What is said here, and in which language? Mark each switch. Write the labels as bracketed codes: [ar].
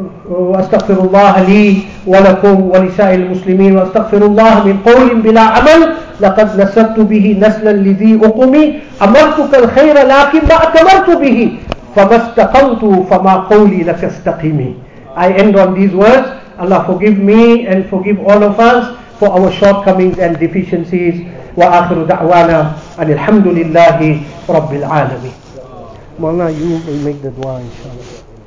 [ar] واستغفر الله لي ولكم ولسائر المسلمين واستغفر الله من قول بلا عمل لقد نسبت به نسلا لذي أقمي أمرتك الخير لكن ما أتمرت به فما استقمت فما قولي لك استقيمي. [en] I end on these words. Allah forgive me and forgive all of us for our shortcomings and deficiencies. [ar] وآخر دعوانا أن الحمد لله رب العالمين. [en] Mawlana, you will make the dua, inshallah.